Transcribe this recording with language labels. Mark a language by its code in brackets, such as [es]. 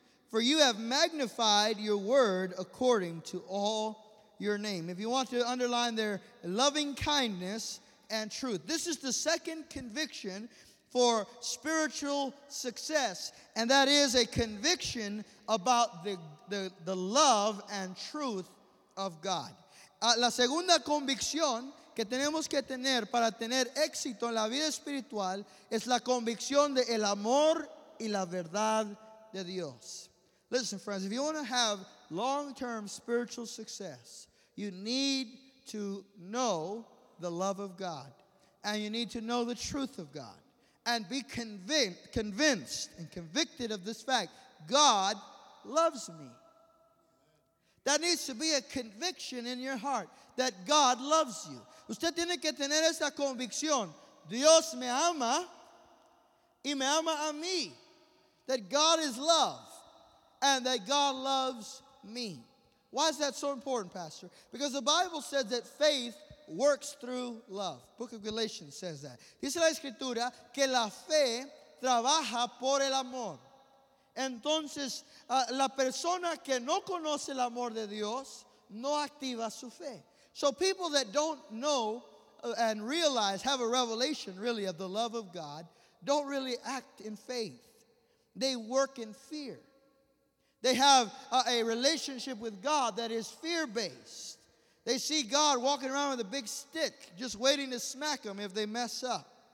[en] For you have magnified your word according to all your name. If you want to underline their loving kindness and truth. This is the second conviction for spiritual success. And that is a conviction about the love and truth of God. [es] La segunda convicción que tenemos que tener para tener éxito en la vida espiritual es la convicción de el amor y la verdad de Dios. [en] Listen, friends, if you want to have long-term spiritual success, you need to know the love of God. And you need to know the truth of God. And be convinced and convicted of this fact. God loves me. That needs to be a conviction in your heart that God loves you. [es] Usted tiene que tener esa convicción. Dios me ama y me ama a mí. [en] That God is love. And that God loves me. Why is that so important, Pastor? Because the Bible says that faith works through love. Book of Galatians says that. [es] Dice la Escritura que la fe trabaja por el amor. Entonces, la persona que no conoce el amor de Dios no activa su fe. [en] So people that don't know and realize, have a revelation really of the love of God, don't really act in faith. They work in fear. They have a relationship with God that is fear-based. They see God walking around with a big stick just waiting to smack them if they mess up.